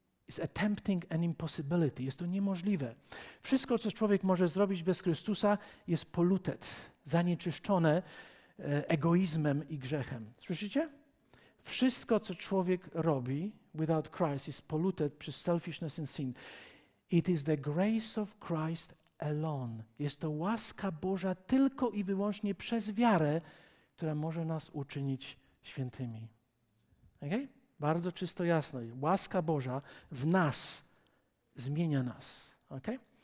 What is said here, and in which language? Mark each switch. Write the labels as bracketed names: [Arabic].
[English] It's attempting an impossibility. [Polish] Jest to niemożliwe. Wszystko, co człowiek może zrobić bez Chrystusa, jest [English] polluted, [Polish] zanieczyszczone egoizmem i grzechem. Słyszycie? Wszystko, co człowiek robi [English] without Christ, is polluted [Polish] przez [English] selfishness and sin. It is the grace of Christ alone. [Polish] Jest to łaska Boża tylko i wyłącznie przez wiarę, która może nas uczynić świętymi. Okay? Bardzo czysto, jasno. Łaska Boża w nas zmienia nas. Okay?